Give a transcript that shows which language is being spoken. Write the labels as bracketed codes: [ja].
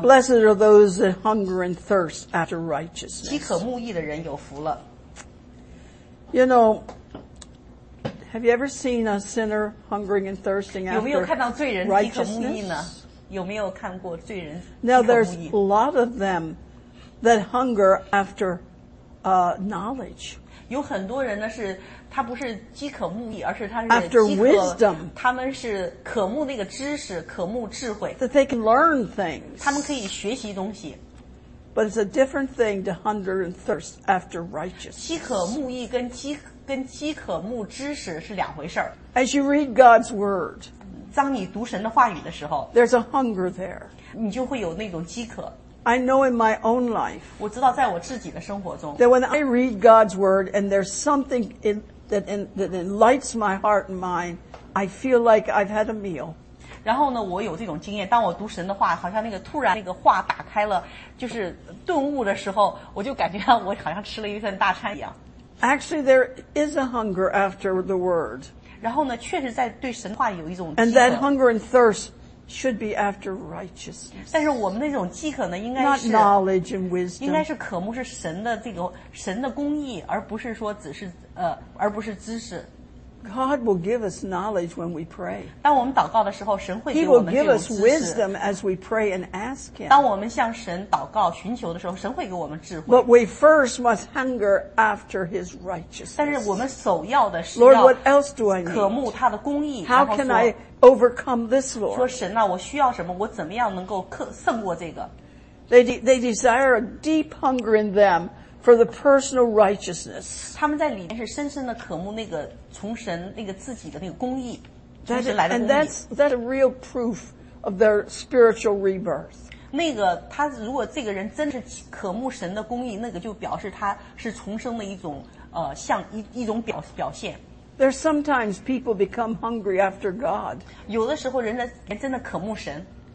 [en] Blessed are those that hunger and thirst after righteousness [zh] 饥渴慕义的人有福了 [en] You know Have you ever seen a sinner hungering and thirsting after [zh] 有没有看到罪人饥渴慕义呢有没有看过罪人饥渴慕义 [en] Now there's a lot of them that hunger after knowledge [zh] 有很多人呢是他不是饥渴慕义而是他是饥渴 [en] After wisdom, [zh] 他们是渴慕那个知识渴慕智慧 [en] that they can learn things. [zh] 他们可以学习东西 [en] But it's a different thing to hunger and thirst after righteousness. [zh] 饥渴慕义跟饥渴慕知识是两回事 [en] As you read God's word, [zh] 当你读神的话语的时候 [en] there's a hunger there. [zh] 你就会有那种饥渴 [en] I know in my own life, [zh] 我知道在我自己的生活中 [en] that when I read God's word and there's something inThat enlightens my heart and mind. I feel like I've had a meal. [zh] 然后呢，我有这种经验。当我读神的话，好像那个突然那个话打开了，就是顿悟的时候，我就感觉到我好像吃了一顿大餐一样。 [en] Actually, there is a hunger after the word. [zh] 然后呢，确实在对神话有一种饥渴。 [en] And that hunger and thirst should be after righteousness. [zh] 但是我们那种饥渴呢，应该是 [en] not knowledge and wisdom. [zh] 应该是渴慕是神的这个神的公义，而不是说只是。而不是知识。 [en] God will give us knowledge when we pray. [zh] 当我们祷告的时候，神会给我们这种知识。 [en] He will give us wisdom as we pray and ask Him. [zh] 当我们向神祷告寻求的时候，神会给我们智慧。 [en] But we first must hunger after His righteousness. [zh] 但是我们首要的是要 [en] Lord, what else do I need? [zh] 渴慕他的公义。 [en] How can I overcome this, Lord? [zh] 说神啊，我需要什么？我怎么样能够胜过这个 [en] ？They desire a deep hunger in them. For the personal righteousness. [zh] 他们在里面是深深的渴慕那个从神那个自己的那个公义，从神来的公义。 [en] And that's a real proof of their spiritual rebirth. [zh] 那个他如果这个人真是渴慕神的公义，那个就表示他是重生的一种像一种表现。 [en] There sometimes people become hungry after God. [zh] 有的时候人真的渴慕神。